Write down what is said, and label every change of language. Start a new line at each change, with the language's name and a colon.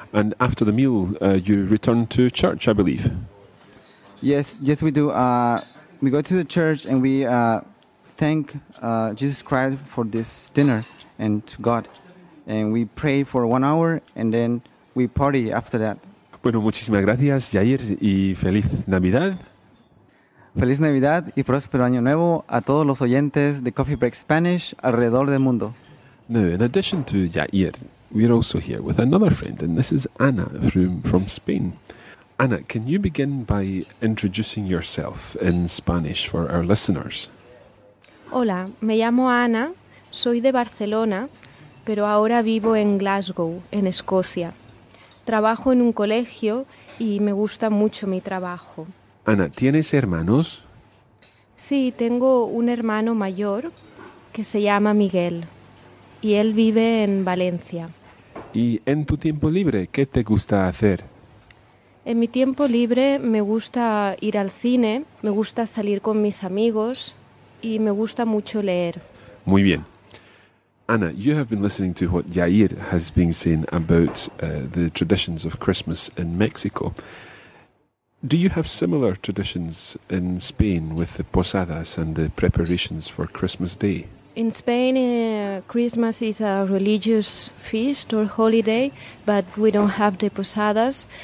English: And after the meal, you return to church, I believe. Yes, we do. We go to the church, and we thank Jesus Christ for this dinner and to God. And we pray for 1 hour, and then we party after that.
Spanish: Bueno, muchísimas gracias, Yair, y feliz Navidad. Feliz Navidad y próspero año nuevo a todos los oyentes de Coffee Break Spanish alrededor del mundo.
English: Now, in addition to Yair, we're also here with another friend, and this is Anna from Spain. Anna, can you begin by introducing yourself in Spanish for our listeners?
Spanish: Hola, me llamo Ana, soy de Barcelona, pero ahora vivo en Glasgow, en Escocia. Trabajo en un colegio y me gusta mucho mi trabajo. Ana, ¿tienes hermanos? Sí, tengo un hermano mayor que se llama Miguel y él vive en Valencia. ¿Y en tu tiempo libre qué te gusta hacer? En mi tiempo libre me gusta ir al cine, me gusta salir con mis amigos y me gusta mucho leer. Muy bien.
English: Anna, you have been listening to what Yair has been saying about the traditions of Christmas in Mexico. Do you have similar traditions in Spain with the posadas and the preparations for Christmas Day? In Spain, Christmas is a religious feast or holiday, but we don't have the posadas.